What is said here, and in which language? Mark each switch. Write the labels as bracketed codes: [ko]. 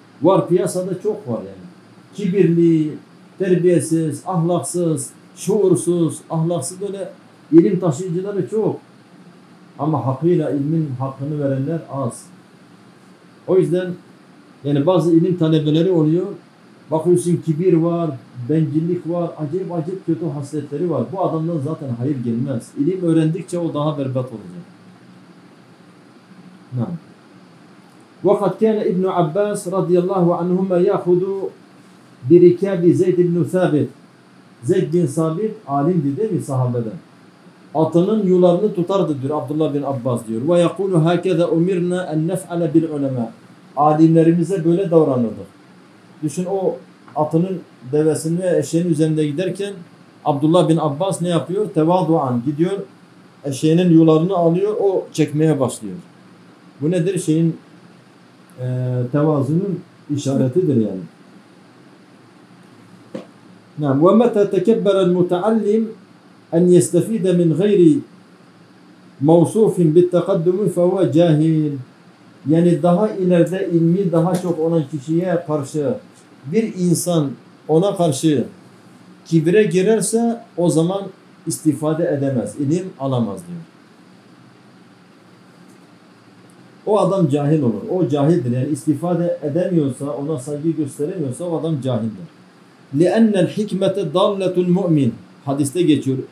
[tr] Var piyasada çok var yani. Kibirli, terbiyesiz, ahlaksız, şuursuz, ahlaksız böyle İlim taşıyıcıları çok ama hakkıyla ilmin hakkını verenler az. O yüzden yani bazı ilim talebeleri oluyor. Bakıyorsun kibir var, bencillik var, acayip acayip kötü hasletleri var. Bu adamdan zaten hayır gelmez. İlim öğrendikçe o daha berbat olacak. [ar] وَقَدْ كَانَ اِبْنُ عَبَّاسِ رَضِيَ اللّٰهُ عَنْهُمَا يَخُدُ بِرِكَابِ زَيْدِ بْنُ ثَابِتِ [tr] Zeyd bin Sabit alimdi değil mi sahabeden? Atının yularını tutardı diyor Abdullah bin Abbas diyor. [ar] Ve yekulu hakeze umirna en nef'ale bil ulema. [tr] Alimlerimize böyle davranırdı. Düşün o atının devesini ve eşeğinin üzerinde giderken Abdullah bin Abbas ne yapıyor? Tevaduan gidiyor. Eşeğinin yularını alıyor. O çekmeye başlıyor. Bu nedir? Şeyin tevazunun işaretidir yani. [ar] Nam ve meta tekebbera mutaallim أن يستفيد من غير موصوف بالتقدم فهو جاهل. [tr] Yani daha ileride ilmi daha çok olan kişiye karşı bir insan ona karşı kibire girerse o zaman istifade edemez, ilim alamaz diyor. O adam cahil olur, o cahildir. Yani istifade edemiyorsa, ona saygı gösteremiyorsa o adam cahildir. [ar] لأن الحكمة ضالة المؤمن [tr] hadiste geçiyor.